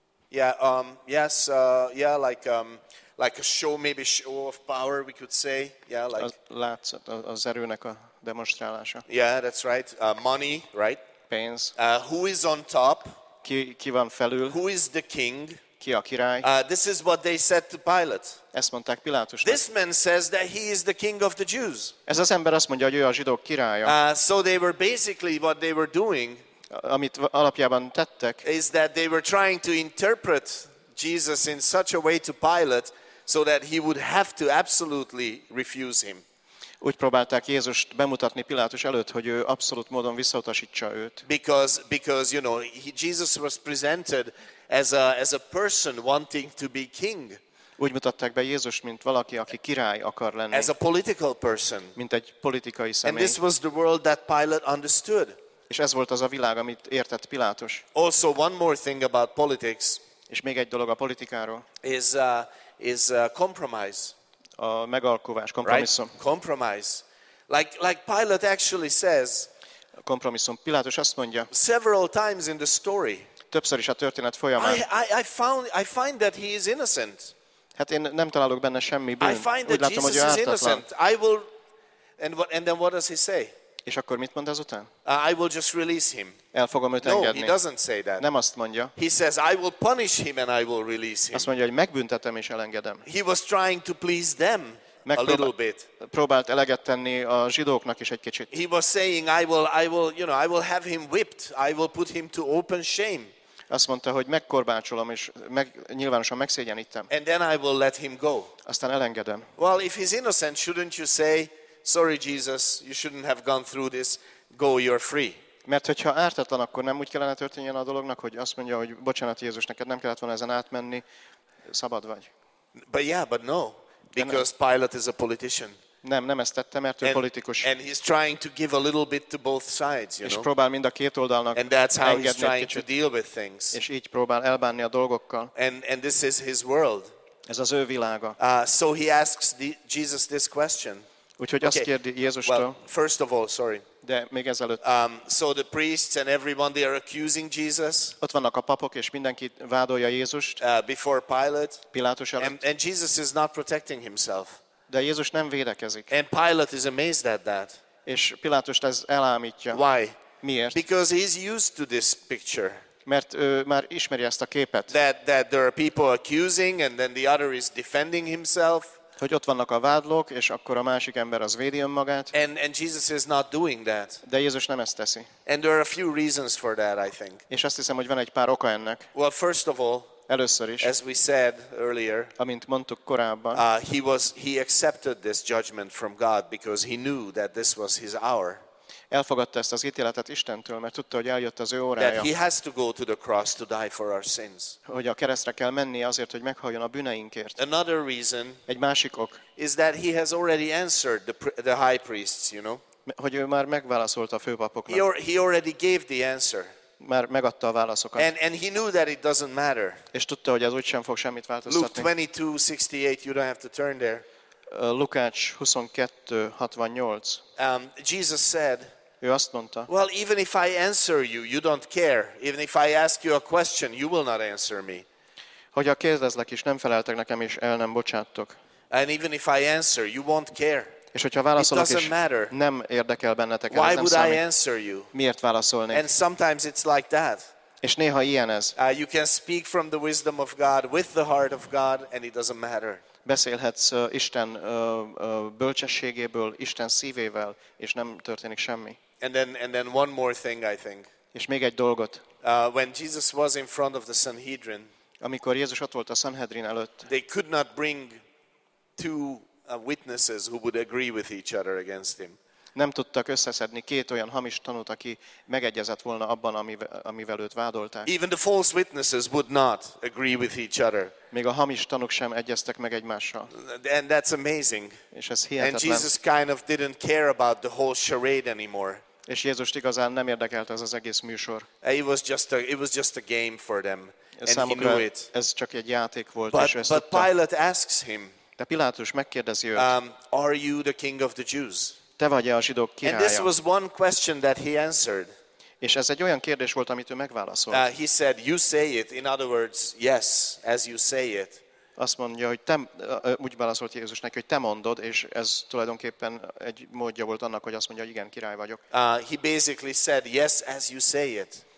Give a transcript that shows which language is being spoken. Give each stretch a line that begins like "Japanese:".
English: Yeah, yes, yeah, like a show, maybe show of power, we could say. Yeah, like.
Hungarian: Látszat, az erőnek a demonstrálása.
English: Yeah, that's right. Money, right?
Hungarian: Pénz.
English: Who is on top?
Hungarian: Ki van felül?
English: Who is the king?
Hungarian: Ki a király?
English: This is what they said to Pilate.
Hungarian: Ezt mondták Pilátusnak.
English: This man says that he is the king of the Jews.
Hungarian: Ez az ember azt mondja, hogy ő a zsidók királya.
English: So they were basically what they were doing.
Hungarian: Amit alapjában tettek.
English: Is that they were trying to interpret Jesus in such a way to Pilate, so that he would have to absolutely refuse him.
Hungarian: úgy próbálták Jézust bemutatni Pilátus előtt, hogy ő abszolút módon visszautasítsa őt.
English: Because you know, Jesus was presented as a person wanting to be king.
Hungarian: Úgy mutatták be Jézust, mint valaki, aki király akar lenni.
English: As a political person.
Hungarian: Mint egy politikai személy.
English: And this was the world that Pilate understood.
Hungarian: És ez volt az a világ, amit értett Pilátus.
English: Also one more thing about politics.
Hungarian: És még egy dolog a politikáról.
English: Is a compromise.
Hungarian: A megalkuvás, kompromisszum.
English: Right? Compromise. Like Pilate actually says.
Hungarian: A kompromisszum. Pilátus azt mondja.
English: Several times in the story.
Hungarian: Többször is a történet folyamán.
English: I find that he is innocent.
Hungarian: Hát én nem találok benne semmi bűn.
English: I find that
Hungarian: látom,
English: Jesus is innocent. I will. And then what does he say?
Hungarian: És akkor mit mond ezután?
English: I will just release him.
Hungarian: El fogom őt no, engedni.
English: No, he doesn't say that.
Hungarian: Nem azt mondja.
English: He says I will punish him and I will release him.
Hungarian: Azt mondja, hogy megbüntetem és elengedem.
English: He was trying to please them a little bit.
Hungarian: Próbált eleget tenni a zsidóknak is egy kicsit.
English: He was saying I will, you know, I will have him whipped. I will put him to open shame.
Hungarian: Azt mondta, hogy megkorbácsolom és nyilvánosan megszégyenítem.
English: And then I will let him go.
Hungarian: Aztán elengedem.
English: Well, if he's innocent, shouldn't you say sorry Jesus, you shouldn't have gone through this. Go, you're free.
Hungarian: Mert hogyha ártatlan, akkor nem úgy kellene történjen a dolognak, hogy azt mondja, hogy bocsánat Jézus, neked nem kellett volna ezen átmenni, szabad vagy.
English: But yeah, but no, because Pilate is a politician.
Hungarian: Nem ezt tette, mert ő politikus.
English: And he's trying to give a little bit to both sides, you know.
Hungarian: És próbál mind a két oldalnak.
English: And that's how he's trying to deal with things.
Hungarian: És így próbál elbánni a dolgokkal.
English: And this is his world.
Hungarian: Ez az ő világa.
English: So he asks Jesus this question.
Hungarian: Úgyhogy okay. Azt kérdi Jézustól.
English: Well, first of all, sorry.
Hungarian: De még ezelőtt.
English: So the priests and everyone they are accusing Jesus.
Hungarian: Ott vannak a papok és mindenki vádolja Jézust.
English: Before Pilate.
Hungarian: Pilátus előtt.
English: And Jesus is not protecting himself.
Hungarian: De Jézus nem védekezik.
English: And Pilate is amazed at that.
Hungarian: És Pilátust ez elámítja.
English: Why?
Hungarian: Miért?
English: Because he's used to this picture.
Hungarian: Mert ő már ismeri ezt a képet.
English: That there are people accusing and then the other is defending himself.
Hungarian: Hogy ott vannak a vádlók, és akkor a másik ember az védi önmagát.
English: And Jesus is not doing that.
Hungarian: De Jézus nem ezt teszi.
English: And there are a few reasons for that, I think.
Hungarian: És azt hiszem, hogy van egy pár oka ennek.
English: Well, first of all,
Hungarian: először is,
English: as we said earlier,
Hungarian: amint mondtuk korábban,
English: he accepted this judgment from God because he knew that this was his hour.
Hungarian: Elfogadta ezt az ítéletet Istentől, mert tudta, hogy eljött az ő órája.
English: That he has to go to the cross to die for our sins.
Hungarian: Hogy a keresztre kell mennie azért, hogy meghaljon a bűneinkért.
English: Another reason,
Hungarian: egy másik ok,
English: is that he has already answered the high priests, you know.
Hungarian: Hogy ő már megválaszolta a főpapoknak.
English: He already gave the answer.
Hungarian: Már megadta a válaszokat.
English: And he knew that it doesn't matter.
Hungarian: És tudta, hogy ez úgysem fog semmit változtatni.
English: Luke 22:68, you don't have to turn there.
Hungarian: Lukács 22:68.
English: Jesus said.
Hungarian: Ő azt mondta.
English: Well, even if I answer you, you don't care. Even if I ask you a question, you will not answer me.
Hungarian: Hogyha kérdezlek is, nem feleltek nekem is, el nem bocsáttok.
English: And even if I answer, you won't care.
Hungarian: És hogyha válaszolok is,
English: matter.
Hungarian: Nem érdekel bennetek.
English: Why
Hungarian: nem
English: would
Hungarian: számít,
English: I answer you?
Hungarian: Miért válaszolnék?
English: And sometimes it's like that.
Hungarian: És néha ilyen ez.
English: You can speak from the wisdom of God with the heart of God, and it doesn't matter.
Hungarian: Beszélhetsz Isten bölcsességéből, Isten szívével, és nem történik semmi.
English: And then one more thing, I think.
Hungarian: És még egy dolgot.
English: When Jesus was in front of the Sanhedrin,
Hungarian: amikor Jézus ott volt a Sanhedrin előtt,
English: they could not bring two witnesses who would agree with each other against him.
Hungarian: Nem tudtak összeszedni két olyan hamis tanút, aki megegyezett volna abban, amivel őt vádolták.
English: Even the false witnesses would not agree with each other.
Hungarian: Még a hamis tanúk sem egyeztek meg egymással.
English: And that's amazing.
Hungarian: És ez hihetetlen.
English: And Jesus kind of didn't care about the whole charade anymore.
Hungarian: És Jézust igazán nem érdekelt ez az egész műsor.
English: It was just a game for them. And he knew it.
Hungarian: Ez csak egy játék volt,
English: but,
Hungarian: és ő ezt tudta.
English: But Pilate asks him,
Hungarian: de Pilátus megkérdezi őt,
English: are you the king of the Jews?
Hungarian: Te vagy a zsidók királya?
English: And this was one question that he answered.
Hungarian: És ez egy olyan kérdés volt, amit ő megválaszolt.
English: He said, you say it. In other words, yes, as you say it.
Hungarian: Azt mondja, hogy te, úgy válaszolt Jézus neki, hogy te mondod, és ez tulajdonképpen egy módja volt annak, hogy azt mondja, hogy igen, király vagyok.
English: He basically said, yes, as you say it.